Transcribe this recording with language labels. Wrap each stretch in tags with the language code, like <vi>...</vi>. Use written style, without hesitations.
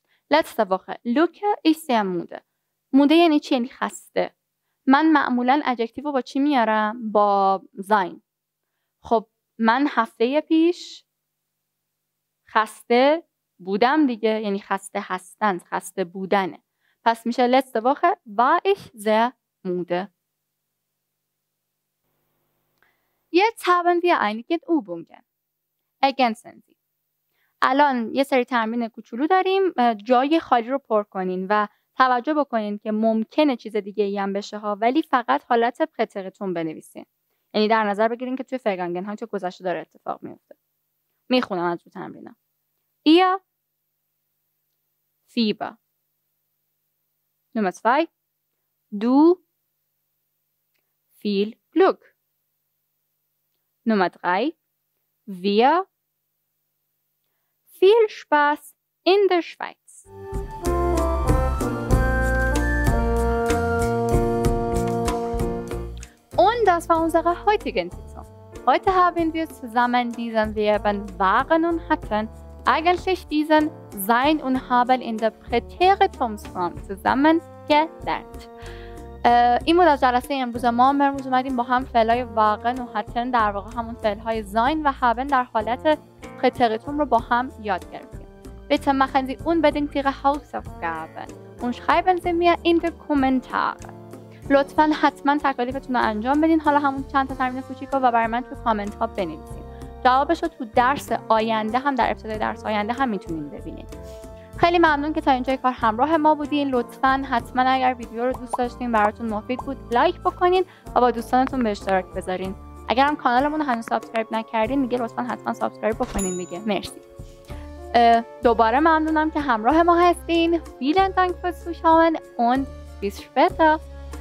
<fa>لطسته وخه لوکه ایش زی موده. موده یعنی چی؟ یعنی خسته. من معمولا اجکتیو با چی میارم؟ با زاین. خب من هفته پیش خسته بودم دیگه. یعنی خسته هستند. خسته بودنه. پس میشه</fa> <de>letzte Woche war ich sehr müde. Jetzt haben wir einige Übungen. Ergänzen Sie.</de> <fa>الان یه سری تمرین کوچولو داریم. جای خالی رو پر کنین و توجه بکنین که ممکنه چیز دیگه ای هم بشه ها، ولی فقط حالت پرتریتوم بنویسین. یعنی در نظر بگیرین که توی فرگانگن ها چه گذشته داره اتفاق میفته. میخونم از رو تمرینا.</fa> <de>Ihr Fieber. Nummer 2. Du viel Glück. Nummer 3. Wir viel Spaß in der Schweiz. Und das war unsere heutige Sitzung. Heute haben wir zusammen diesen Verben waren und hatten. Eigentlich diesen Sein und Haben in der Präteritumsform zusammen gelernt.</de> <fa>این بود از جلسه امروز ما. امروز اومدیم با هم فعلای واقن و حتن در واقع همون فعلهای زاین و هبن در حالت پرتریتوم رو با هم یاد گرفتیم.</fa> <de>Bitte machen Sie unbedingt Ihre Hausaufgaben und schreiben Sie mir in die Kommentare.</de> <fa>لطفا حتما تکالیفتون رو انجام بدین. حالا همون چند تا تمرین کوچیکو و برای من تو کامنت ها بنویسین. جوابش رو تو درس آینده هم در ابتدای درس آینده هم میتونین ببینین. خیلی ممنون که تا اینجای کار همراه ما بودین. لطفاً حتما اگر ویدیو رو دوست داشتین براتون مفید بود لایک بکنین و با دوستانتون به اشتراک بذارین. اگر هم کانالمون رو هنوز سابسکرایب نکردین دیگه لطفاً حتما سابسکرایب بکنین دیگه. مرسی. دوباره ممنونم که همراه ما هستین.</fa> <de>Vielen Dank fürs Zuschauen und bis später.</de>